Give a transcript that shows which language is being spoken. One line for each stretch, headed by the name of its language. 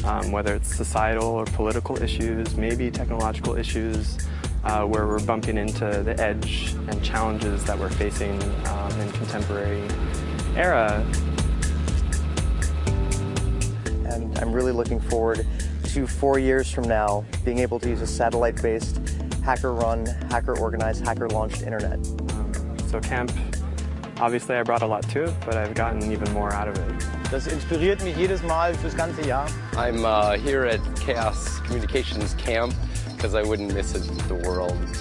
English: Whether it's societal or political issues, maybe technological issues, where we're bumping into the edge and challenges that we're facing in contemporary era. And I'm really looking forward to 4 years from now being able to use a satellite-based, hacker-run, hacker-organized, hacker-launched internet. So camp, obviously I brought a lot to it, but I've gotten even more out of it.
German: Das inspiriert mich jedes Mal fürs ganze Jahr.
English: I'm here at Chaos Communications Camp because I wouldn't miss it with the world.